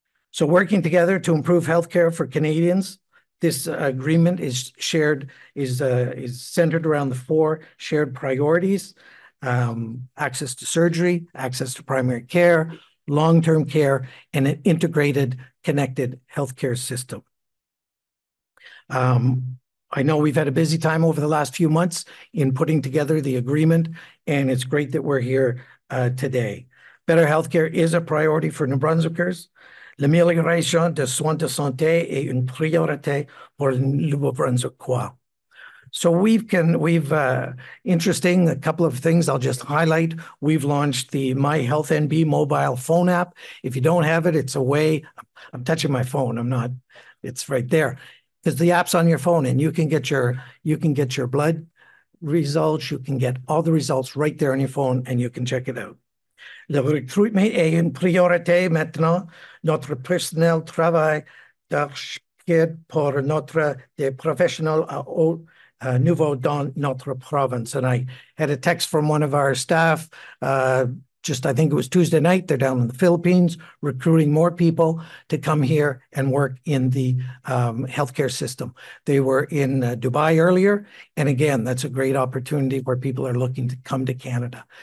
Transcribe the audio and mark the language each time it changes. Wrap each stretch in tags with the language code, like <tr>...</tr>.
<en>So working together to improve healthcare for Canadians, this agreement is shared, is centered around the four shared priorities: access to surgery, access to primary care, long-term care, and an integrated, connected healthcare system. I know we've had a busy time over the last few months in putting together the agreement, and it's great that we're here today. Better healthcare is a priority for New Brunswickers.</en> <fr>L'amélioration des soins de santé est une priorité pour le Nouveau-Brunswickois.</fr> <en>So a couple of things I'll just highlight. We've launched the My Health NB mobile phone app. If you don't have it, it's a way. I'm touching my phone. I'm not. It's right there. Because the app's on your phone, and you can get your blood results. You can get all the results right there on your phone, and you can check it out.</en> <fr>Le recrutement est une priorité maintenant. Notre personnel travaille d'archipède pour notre des professionnels à haut niveau dans notre province.</fr> <en>And I had a text from one of our staff, I think it was Tuesday night. They're down in the Philippines recruiting more people to come here and work in the healthcare system. They were in Dubai earlier. And again, that's a great opportunity where people are looking to come to Canada.</en>